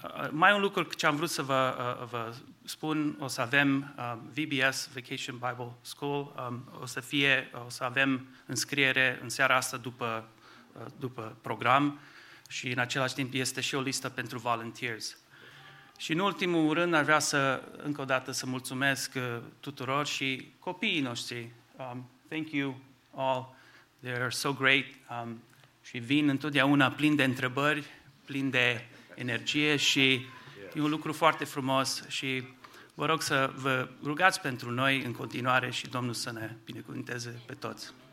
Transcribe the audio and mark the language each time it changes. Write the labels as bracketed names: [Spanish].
[Romanian] Mai un lucru ce am vrut să vă spun, o să avem VBS, Vacation Bible School, o să avem înscriere în seara asta după program și în același timp este și o listă pentru volunteers. Și în ultimul rând aș vrea să încă o dată să mulțumesc tuturor și copiii noștri. [English] Thank you all, they are so great. [Romanian] Și vin întotdeauna plin de întrebări, plin de energie și e un lucru foarte frumos și vă rog să vă rugați pentru noi în continuare și Domnul să ne binecuvânteze pe toți.